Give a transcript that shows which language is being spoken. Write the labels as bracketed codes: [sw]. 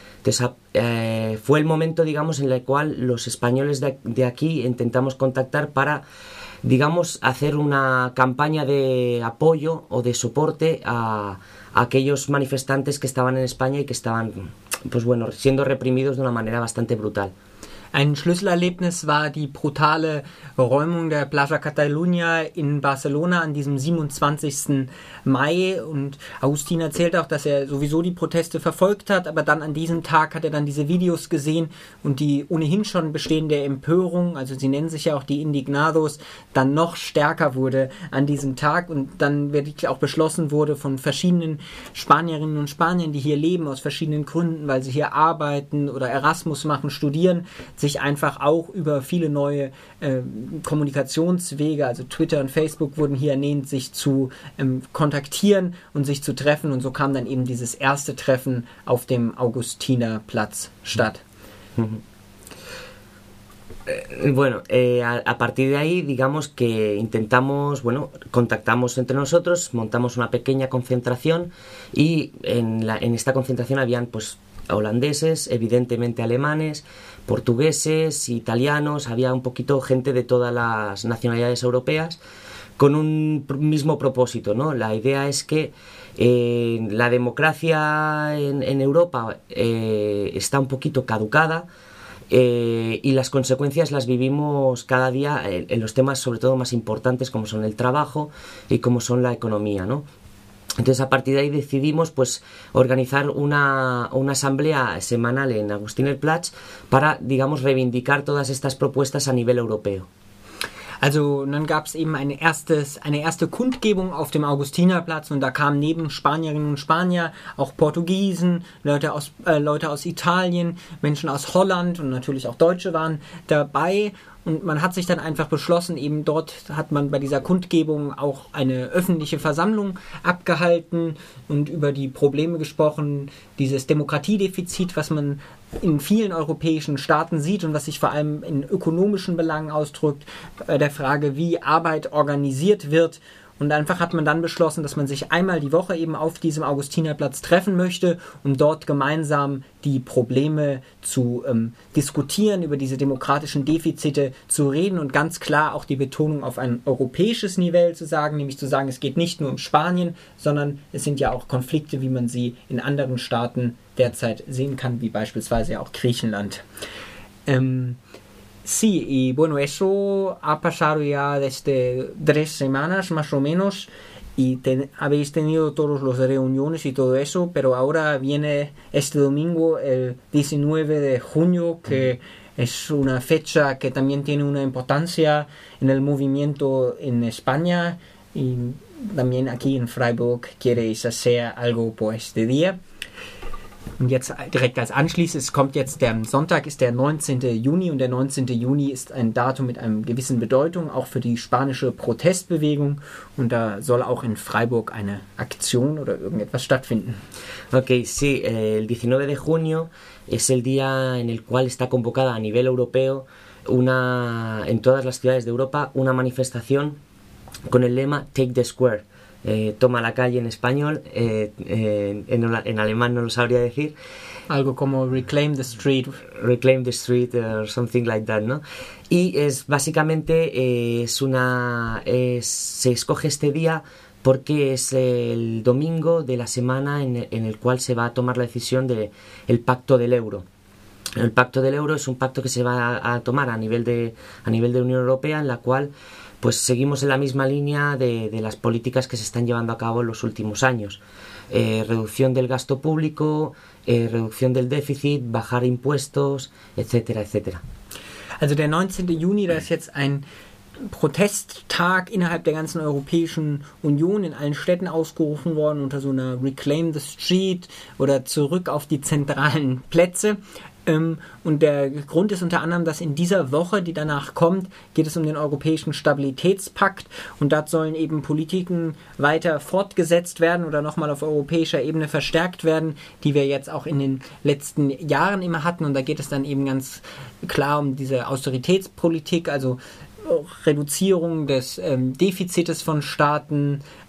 [es] Entonces, fue el momento, digamos, en el cual los españoles de aquí intentamos contactar para, digamos, hacer una campaña de apoyo o de soporte a aquellos manifestantes que estaban en España y que estaban, pues bueno, siendo reprimidos de una manera bastante brutal. [de] Ein Schlüsselerlebnis war die brutale Räumung der Plaza Catalunya in Barcelona an diesem 27. Mai. Und Agustín erzählt auch, dass er sowieso die Proteste verfolgt hat, aber dann an diesem Tag hat er dann diese Videos gesehen und die ohnehin schon bestehende Empörung, also sie nennen sich ja auch die Indignados, dann noch stärker wurde an diesem Tag und dann wirklich auch beschlossen wurde von verschiedenen Spanierinnen und Spaniern, die hier leben, aus verschiedenen Gründen, weil sie hier arbeiten oder Erasmus machen, studieren, sich einfach auch über viele neue Kommunikationswege, also Twitter und Facebook wurden hier ernannt, sich zu kontaktieren und sich zu treffen. Und so kam dann eben dieses erste Treffen auf dem Augustinerplatz statt. [es] Bueno, a partir de ahí, digamos que intentamos, bueno, contactamos entre nosotros, montamos una pequeña concentración y en esta concentración habían, pues, holandeses, evidentemente alemanes, portugueses, italianos, había un poquito gente de todas las nacionalidades europeas con un mismo propósito, ¿no? La idea es que la democracia en Europa está un poquito caducada. Y las consecuencias las vivimos cada día en los temas sobre todo más importantes como son el trabajo y como son la economía, ¿no? Entonces a partir de ahí decidimos pues organizar una asamblea semanal en Augustinerplatz para, digamos, reivindicar todas estas propuestas a nivel europeo. [de] Also dann gab es eben eine erste Kundgebung auf dem Augustinerplatz und da kamen neben Spanierinnen und Spanier auch Portugiesen, Leute aus Italien, Menschen aus Holland und natürlich auch Deutsche waren dabei. Und man hat sich dann einfach beschlossen, eben dort hat man bei dieser Kundgebung auch eine öffentliche Versammlung abgehalten und über die Probleme gesprochen, dieses Demokratiedefizit, was man in vielen europäischen Staaten sieht und was sich vor allem in ökonomischen Belangen ausdrückt, bei der Frage, wie Arbeit organisiert wird. Und einfach hat man dann beschlossen, dass man sich einmal die Woche eben auf diesem Augustinerplatz treffen möchte, um dort gemeinsam die Probleme zu diskutieren, über diese demokratischen Defizite zu reden und ganz klar auch die Betonung auf ein europäisches Niveau zu sagen, nämlich zu sagen, es geht nicht nur um Spanien, sondern es sind ja auch Konflikte, wie man sie in anderen Staaten derzeit sehen kann, wie beispielsweise ja auch Griechenland. [es] Sí, y bueno, eso ha pasado ya desde 3 semanas más o menos y habéis tenido todas las reuniones y todo eso, pero ahora viene este domingo, el 19 de junio, que es una fecha que también tiene una importancia en el movimiento en España y también aquí en Freiburg queréis hacer algo por este día. [de] Und jetzt direkt als Anschluss, es kommt jetzt der Sonntag, ist der 19. Juni und der 19. Juni ist ein Datum mit einer gewissen Bedeutung, auch für die spanische Protestbewegung und da soll auch in Freiburg eine Aktion oder irgendetwas stattfinden. [es] Okay, sí, el 19 de junio es el día en el cual está convocada a nivel europeo una, en todas las ciudades de Europa, una manifestación con el lema Take the Square. Toma la calle en español, en alemán no lo sabría decir. Algo como Reclaim the Street. [en] Reclaim the Street or something like that, ¿no? [es] Y es básicamente, se escoge este día porque es el domingo de la semana en el cual se va a tomar la decisión del pacto del euro. El pacto del euro es un pacto que se va a tomar a nivel de Unión Europea, en la cual pues seguimos en la misma línea de las políticas que se están llevando a cabo en los últimos años. Reducción del gasto público, reducción del déficit, bajar impuestos, etcétera, etcétera. [de] Also der 19. Juni, da ist jetzt ein Protesttag innerhalb der ganzen Europäischen Union in allen Städten ausgerufen worden unter so einer Reclaim the Street oder zurück auf die zentralen Plätze. Und der Grund ist unter anderem, dass in dieser Woche, die danach kommt, geht es um den Europäischen Stabilitätspakt und dort sollen eben Politiken weiter fortgesetzt werden oder nochmal auf europäischer Ebene verstärkt werden, die wir jetzt auch in den letzten Jahren immer hatten und da geht es dann eben ganz klar um diese Austeritätspolitik, also Reduzierung des Defizites von Staaten,